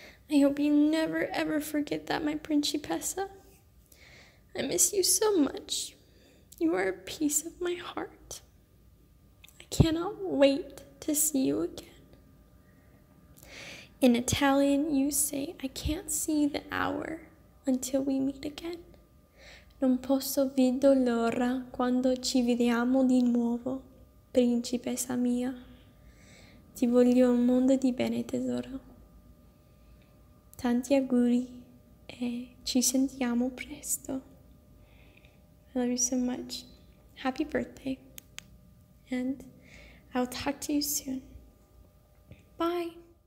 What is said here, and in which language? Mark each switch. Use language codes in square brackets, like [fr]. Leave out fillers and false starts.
[en] I hope you never, ever forget that, my principessa. I miss you so much. You are a piece of my heart. I cannot wait to see you again. In Italian, you say, I can't see the hour until we meet again. [it] Non posso vedo l'ora quando ci vediamo di nuovo, principessa mia. Ti voglio un mondo di bene, tesoro. Tanti auguri e ci sentiamo presto. [en] I love you so much. Happy birthday. And I'll talk to you soon. Bye.